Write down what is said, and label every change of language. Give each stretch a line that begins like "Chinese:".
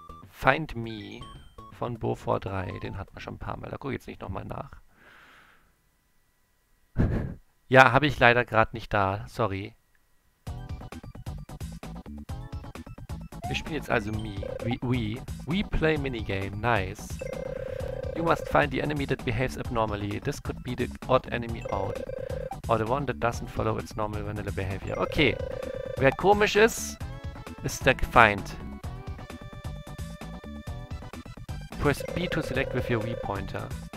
German: Find Me von Beaufort 3. Den hat man schon ein paar Mal. Da gucke ich jetzt nicht nochmal nach. Ja, habe ich leider gerade nicht da. Sorry. Wir spielen jetzt also Me.
English: We play minigame. Nice. You must find the enemy that behaves abnormally. This could be the odd enemy out. Or the one that doesn't follow its normal vanilla behavior. Okay.
German: Wer komisch ist, ist der Feind.
English: Press B to select with your Wii pointer.